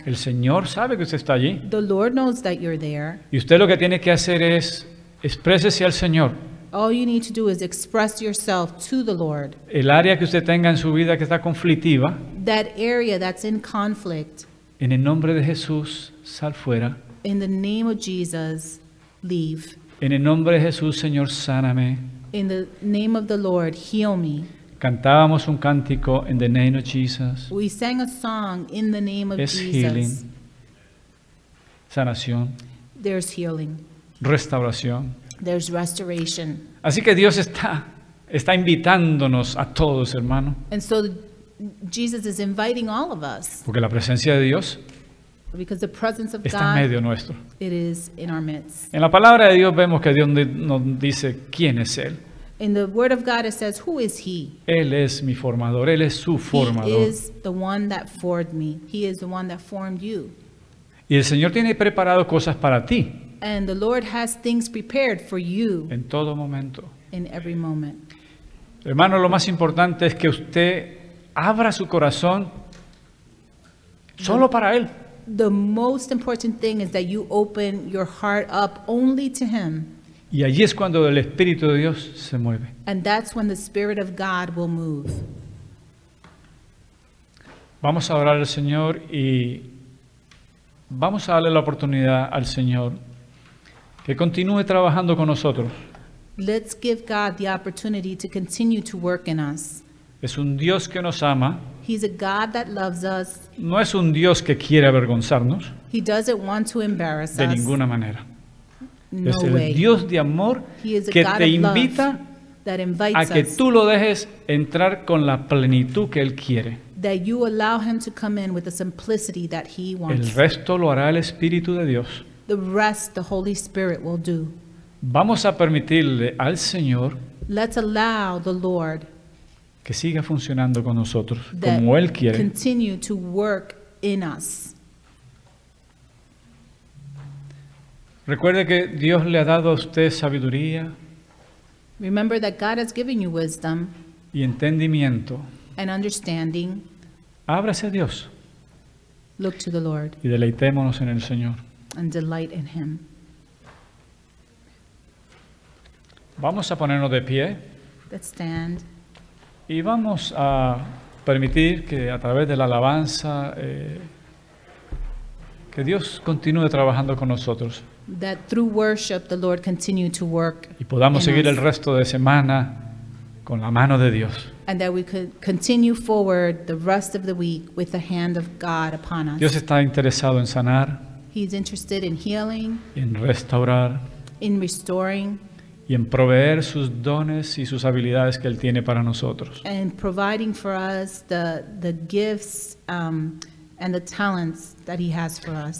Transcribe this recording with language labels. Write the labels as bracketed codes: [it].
[es] El Señor sabe que usted está allí. [en] The Lord knows that you're there. [es] Y usted lo que tiene que hacer es Exprésese al Señor. [en] All you need to do is express yourself to the Lord. [es] El área que usted tenga en su vida que está conflictiva. [en] That area that's in conflict. [es] En el nombre de Jesús, sal fuera. [en] In the name of Jesus, leave. [es] En el nombre de Jesús, Señor, sáname. [en] In the name of the Lord, heal me. [es] Cantábamos un cántico [en] in the name of Jesus. We sang a song in the name of [es] Jesus. Es [en] healing. [es] Sanación. [en] There's healing. [es] Restauración. [en] There's restoration. [es] Así que Dios está invitándonos a todos, hermano. [en] And so Jesus is inviting all of us. [es] Porque la presencia de Dios está en medio nuestro. [en] It is in our midst. [es] En la palabra de Dios vemos que Dios nos dice quién es Él. [en] In the word of God it says, who is he? [es] Él es mi formador, él es su formador. [en] He is the one that formed me. He is the one that formed you. [es] Y el Señor tiene preparado cosas para ti. [en] And the Lord has things prepared for you. [es] En todo momento. [en] In every moment. [es] Hermano, lo más importante es que usted abra su corazón solo para él. [en] The most important thing is that you open your heart up only to him. [es] Y allí es cuando el Espíritu de Dios se mueve. [en] And that's when the Spirit of God will move. [es] Vamos a orar al Señor y vamos a darle la oportunidad al Señor que continúe trabajando con nosotros. [en] Let's give God the opportunity to continue to work in us. [es] Es un Dios que nos ama. [en] He's a God that loves us. [es] No es un Dios que quiere avergonzarnos. [en] He doesn't want to embarrass us. [es] De ninguna manera. No es el [en] way. [es] Dios de amor que te invita [en] that invites [es] a que [en] us. [es] Tú lo dejes entrar con la plenitud que Él quiere. [en] That you allow Him to come in with the simplicity that He wants. [es] El resto lo hará el Espíritu de Dios. [en] The rest the Holy Spirit will do. [es] Vamos a permitirle al Señor [en] let's allow the Lord [es] que siga funcionando con nosotros como Él quiere. [en] Continue to work in us. [es] Recuerde que Dios le ha dado a usted sabiduría. [en] Remember that God has given you wisdom. [es] Y entendimiento. [en] And understanding. [es] Ábrase a Dios. [en] Look to the Lord. [es] Y deleitémonos en el Señor. [en] And delight in Him. [es] Vamos a ponernos de pie. [en] Let's stand. [es] Y vamos a permitir que a través de la alabanza que Dios continúe trabajando con nosotros. [en] That through worship the Lord continue to work. [es] Y podamos seguir el resto de semana con la mano de Dios. [en] And that we could continue forward the rest of the week with the hand of God upon us. [es] Dios está interesado en sanar. [en] He's interested in healing. [es] En restaurar. [en] In restoring. [es] Y en proveer sus dones y sus habilidades que Él tiene para nosotros. [en] And providing for us the gifts and the talents that He has for us.